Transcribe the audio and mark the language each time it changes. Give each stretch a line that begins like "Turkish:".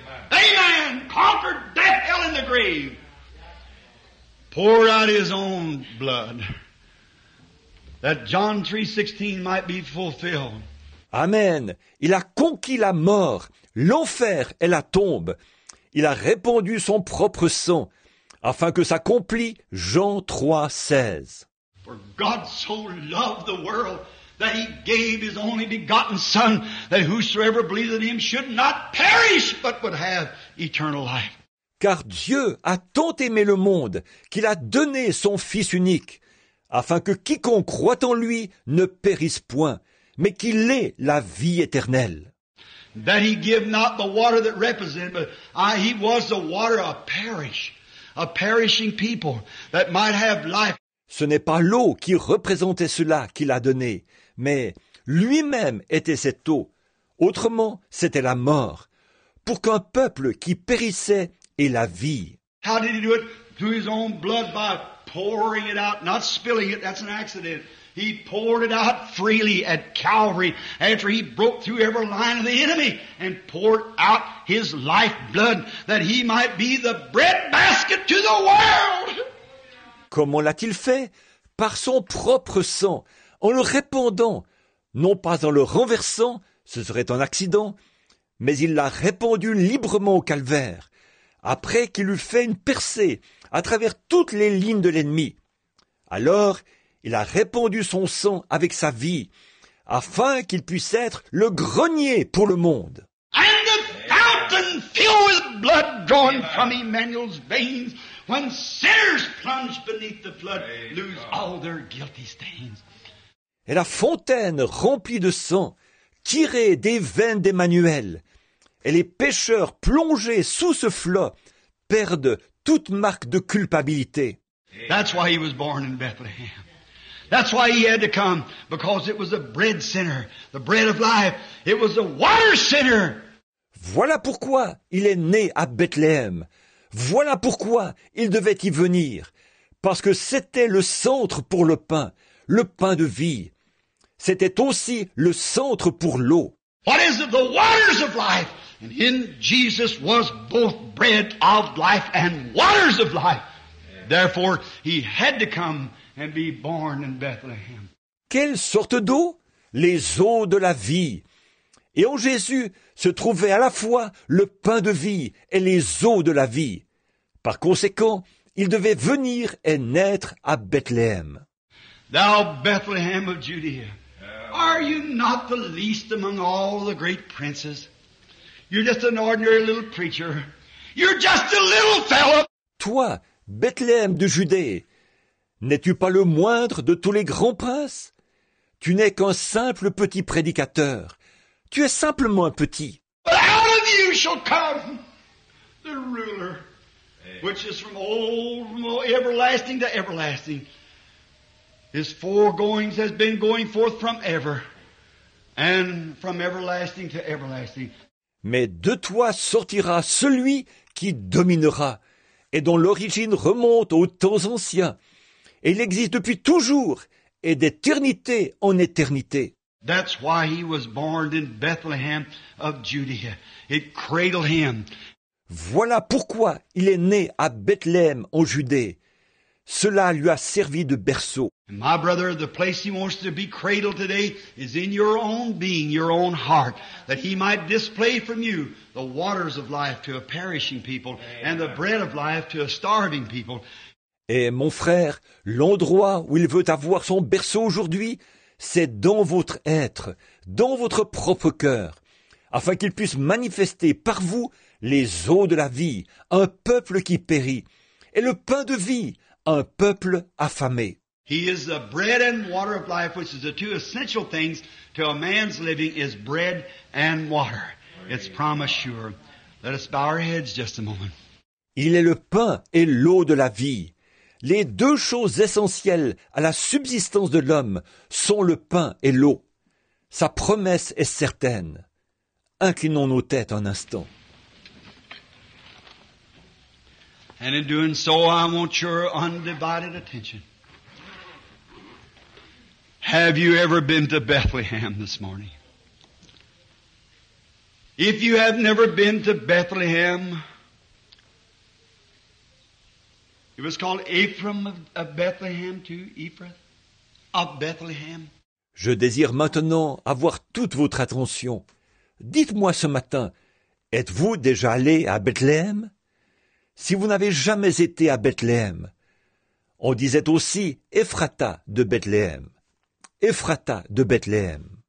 English: Amen. Conquered death, hell and the grave. Poured out his own blood. That John 3:16 might be fulfilled.
French: Amen. Il a conquis la mort, l'enfer et la tombe. il a répandu son propre sang, afin que s'accomplît Jean 3,16.
English: For God so loved the world that he gave his only begotten son, that whosoever believeth in him should not perish, but would have eternal life.
French: Car Dieu a tant aimé le monde qu'il a donné son Fils unique, afin que quiconque croit en lui ne périsse point, mais qu'il ait la vie éternelle.
English: That he give not the water that represented, but he was the water of perish, a perishing people that might have life.
French: Ce n'est pas l'eau qui représentait cela qu'il a donné, mais lui-même était cette eau. Autrement, c'était la mort, pour qu'un peuple qui périssait ait la vie.
English: How did he do it? Through his own blood, by pouring it out, not spilling it, that's an accident. He poured it out freely at Calvary after he broke through every line of the enemy and poured out his lifeblood that he might be the breadbasket to the world.
French: Comment l'a-t-il fait? Par son propre sang, en le répandant, non pas en le renversant, ce serait un accident, mais il l'a répandu librement au calvaire, après qu'il eut fait une percée à travers toutes les lignes de l'ennemi. Alors, il a répandu son sang avec sa vie, afin qu'il puisse être le grenier pour le monde.
English: And the fountain filled with blood drawn from Emmanuel's veins. When sinners plunge beneath the flood, lose all their guilty stains.
French: Et la fontaine remplie de sang, tirée des veines d'Emmanuel, et les pécheurs plongés sous ce flot perdent toute marque de culpabilité.
English: That's why he was born in Bethlehem. That's why he had to come, because it was a bread sinner, the bread of life. It was a water sinner.
French: Voilà pourquoi il est né à Bethléem. Voilà pourquoi il devait y venir, parce que c'était le centre pour le pain de vie. C'était aussi le centre pour l'eau.
English: What is it? The waters of life. And in Jesus was both bread of life and waters of life. Therefore, he had to come and be born in Bethlehem.
French: Quelle sorte d'eau? Les eaux de la vie. Et en Jésus se trouvait à la fois le pain de vie et les eaux de la vie. Par conséquent, il devait venir et naître à Bethléem.
English: Thou Bethlehem of Judea, are you not the least among all the great princes? You're just an ordinary little preacher. You're just a little fellow.
French: Toi, Bethléem de Judée, n'es-tu pas le moindre de tous les grands princes? Tu n'es qu'un simple petit prédicateur. Tu es simplement un petit.
English: But out of you shall come the ruler. Which is from old, everlasting to everlasting. His foregoings has been going forth from ever, and from everlasting to everlasting.
French: Mais de toi sortira celui qui dominera, et dont l'origine remonte aux temps anciens, et il existe depuis toujours, et d'éternité en éternité.
English: That's why he was born in Bethlehem of Judea. It cradled him.
French: Voilà pourquoi il est né à Bethléem en Judée. Cela lui a servi de berceau.
English: My brother, the place he wants to be cradled today is in your own being, your own heart, that he might display from you the waters of life to a perishing people and the bread of life to a starving people.
French: Et mon frère, l'endroit où il veut avoir son berceau aujourd'hui, c'est dans votre être, dans votre propre cœur, afin qu'il puisse manifester par vous les eaux de la vie, un peuple qui périt, et le pain de vie, un peuple affamé.
English: He is the bread and water of life, which is the two essential things to a man's living, is bread and water. It's promised sure. Let us bow our heads just a moment.
French: Il est le pain et l'eau de la vie. Les deux choses essentielles à la subsistance de l'homme sont le pain et l'eau. Sa promesse est certaine. Inclinons nos têtes un instant.
English: And in doing so, I want your undivided attention. Have you ever been to Bethlehem this morning? If you have never been to Bethlehem, it was called Ephraim of Bethlehem to Ephrath of Bethlehem.
French: Je désire maintenant avoir toute votre attention. Dites-moi ce matin, Êtes-vous déjà allé à Bethléem? Si vous n'avez jamais été à Bethléem, on disait aussi Ephrata de Bethléem. Ephrata de Bethléem.